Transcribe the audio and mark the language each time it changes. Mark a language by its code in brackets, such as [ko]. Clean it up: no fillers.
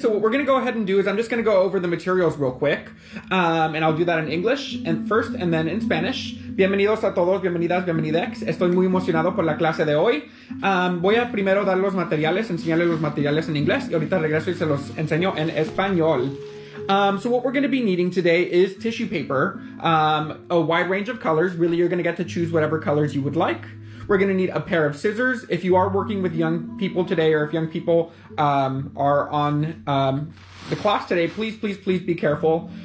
[en] So what we're going to go ahead and do is I'm just going to go over the materials real quick. And I'll do that in English and first and then in Spanish. [es] Bienvenidos a todos, bienvenidas, bienvenidex. Estoy muy emocionado por la clase de hoy. Voy a primero dar los materiales, enseñarles los materiales en inglés. Y ahorita regreso y se los enseño en español. [en] So what we're going to be needing today is tissue paper, a wide range of colors. Really, you're going to get to choose whatever colors you would like. We're going to need a pair of scissors. If you are working with young people today, or if young people are on the class today, please, please, please be careful.